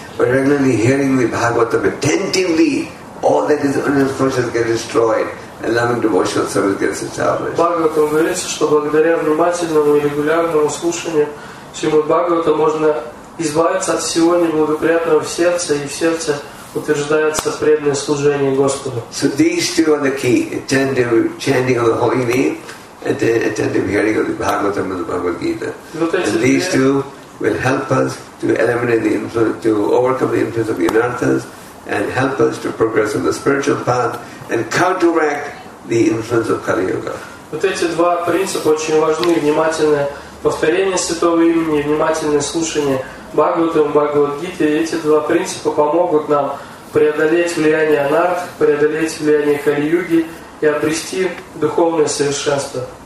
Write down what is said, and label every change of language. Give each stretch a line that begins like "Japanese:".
English: But regularly hearing the Bhagavatam attentively, all that is unconscious gets destroyed and loving devotional service gets established.
Russian: Bhagavatam говорится, что благодаря внимательному и регулярному слушанию Шримад Бхагавата можно избавиться от всего неблагоприятного в сердце и в сердце утверждается преданное служение Господу.
English: So these two are the key: attentive chanting of the holy name and attentive hearing of the Bhagavatam and the Bhagavad Gita. And these two will help us to eliminate the influence, to overcome the influence of the anarthas, and help us to progress on the spiritual path and counteract the influence of Kali Yuga.
Russian: Вот эти два принципа очень важны: внимательное повторение святого имени, внимательное слушание Бхагаватам, Бхагавад-гите, эти два принципа помогут нам преодолеть влияние анарт, преодолеть влияние Кали-юги и обрести духовное совершенство.